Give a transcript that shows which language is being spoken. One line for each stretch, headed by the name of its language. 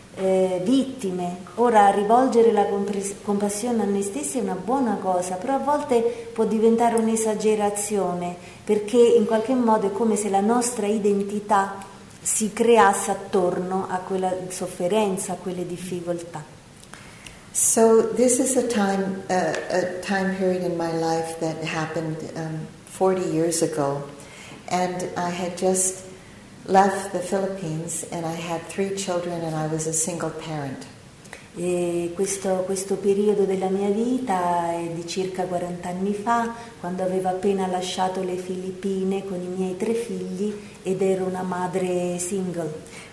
Italian: vittime. Ora, rivolgere la compassione a noi stessi è una buona cosa, però a volte può diventare un'esagerazione, perché in qualche modo è come se la nostra identità si creasse attorno a quella sofferenza, a quelle difficoltà.
English: So this is a time period in my life that happened 40 years ago, and I had just left the Philippines and I had 3 children and I was a single parent.
Italian: E questo periodo della mia vita è di circa 40 anni fa, quando avevo appena lasciato le Filippine con i miei 3 figli ed ero una madre single.